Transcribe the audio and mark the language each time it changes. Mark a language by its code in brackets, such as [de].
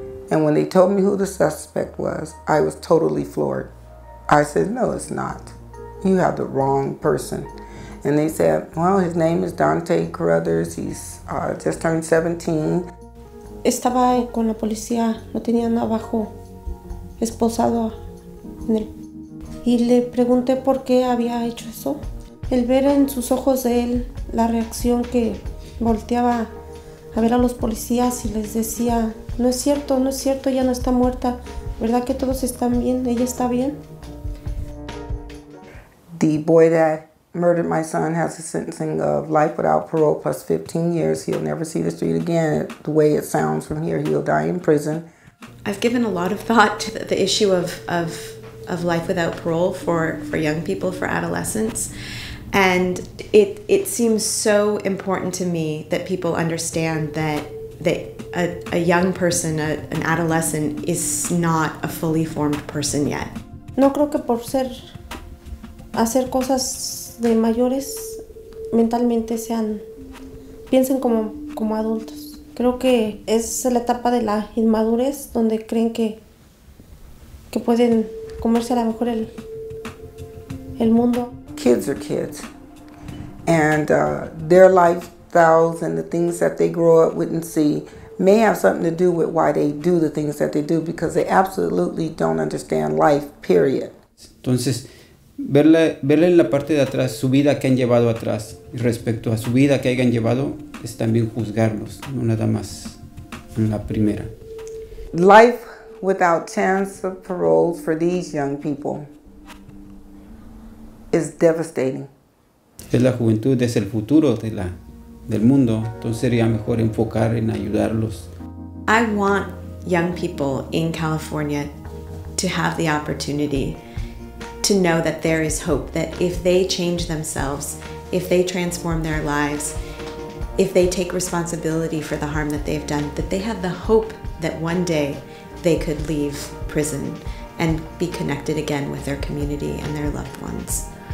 [en] And when they told me who the suspect was, I was totally floored. I said, no, it's not. You have the wrong person. And they said, well, his name is Dante Carruthers. He's just turned 17. [es] Estaba con la policía, lo tenían abajo, esposado. En el... Y le pregunté por qué había hecho eso. El ver en sus ojos de él la reacción que volteaba a ver a los policías y les decía, no es cierto, no es cierto, ella no está muerta. ¿Verdad que todos están bien? ¿Ella está bien? [en] The boy that murdered my son has a sentencing of life without parole plus 15 years. He'll never see the street again. The way it sounds from here, he'll die in prison. I've given a lot of thought to the issue of life without parole for young people, for adolescents. And it seems so important to me that people understand that a young person, an adolescent, is not a fully formed person yet. [es] No creo que por ser hacer cosas de mayores mentalmente sean piensen como adultos. Creo que es la etapa de la inmadurez donde creen que pueden comerse a lo mejor el mundo. [en] Kids are kids, and their lifestyles and the things that they grow up with and see may have something to do with why they do the things that they do, because they absolutely don't understand life, period. [es] Entonces, verle en la parte de atrás, su vida que han llevado atrás, respecto a su vida que hayan llevado, es también juzgarlos, no nada más en la primera. [en] Life without chance of parole for these young people is devastating. [es] Es la juventud, es el futuro de la del mundo, entonces sería mejor enfocar en ayudarlos. [en] I want young people in California to have the opportunity to know that there is hope, that if they change themselves, if they transform their lives, if they take responsibility for the harm that they've done, that they have the hope that one day they could leave prison and be connected again with their community and their loved ones.